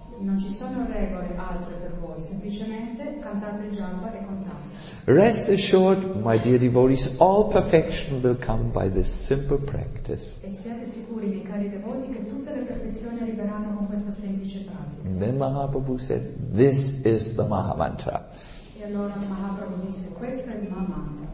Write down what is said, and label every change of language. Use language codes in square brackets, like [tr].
[it] Non ci sono regole altre per voi, semplicemente cantate il japa e contate. [en] Rest assured, my dear devotees, all perfection will come by this simple practice. [it] E siate sicuri, miei cari devoti, che tutte le perfezioni arriveranno con questa semplice pratica. [en] Then Mahaprabhu said, this is the Maha Mantra. [it] E allora Mahaprabhu disse, questo è il Maha Mantra.